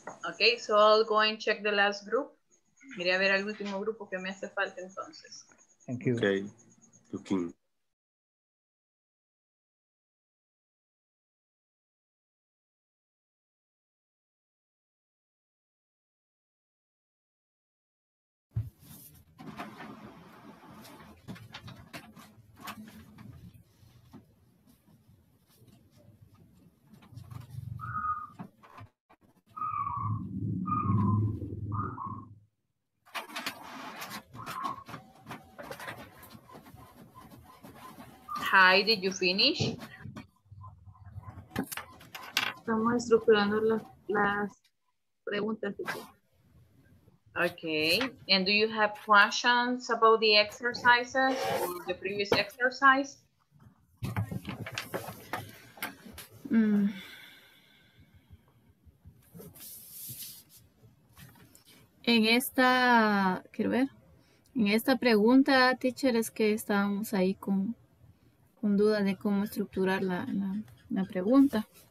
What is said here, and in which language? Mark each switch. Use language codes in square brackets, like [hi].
[en] Okay, so I'll go and check the last group. [es] Mire a ver el último grupo que me hace falta entonces. [en] Thank you. Okay, looking. Hi, did you finish? [es] Estamos estructurando las preguntas. [en] Okay, and do you have questions about the exercises or the previous exercise? [es] En esta, quiero ver, en esta pregunta, teacher, es que estábamos ahí con duda de cómo estructurar la pregunta.